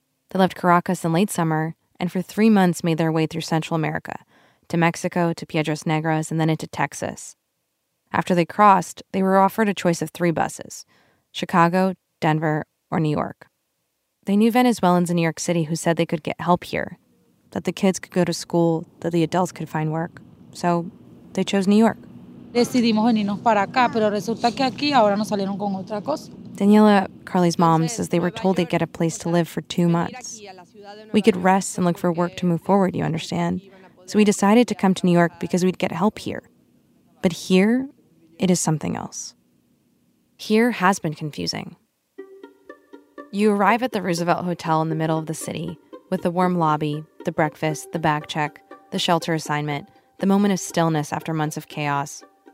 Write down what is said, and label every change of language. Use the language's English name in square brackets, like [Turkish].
[English] They left Caracas in late summer, and for 3 months made their way through Central America, to Mexico, to Piedras Negras, and then into Texas. After they crossed, they were offered a choice of 3 buses, Chicago, Denver, or New York. They knew Venezuelans in New York City who said they could get help here, that the kids could go to school, that the adults could find work. So they chose New York. [Spanish] Decidimos venirnos para acá, pero resulta que aquí ahora nos salieron con otra cosa. [English] Daniela, Carly's mom, says they were told they'd get a place to live for 2 months. We could rest and look for work to move forward, you understand? So we decided to come to New York because we'd get help here. But here, it is something else. Here has been confusing. You arrive at the Roosevelt Hotel in the middle of the city, with the warm lobby, the breakfast, the bag check, the shelter assignment, the moment of stillness after months of chaos.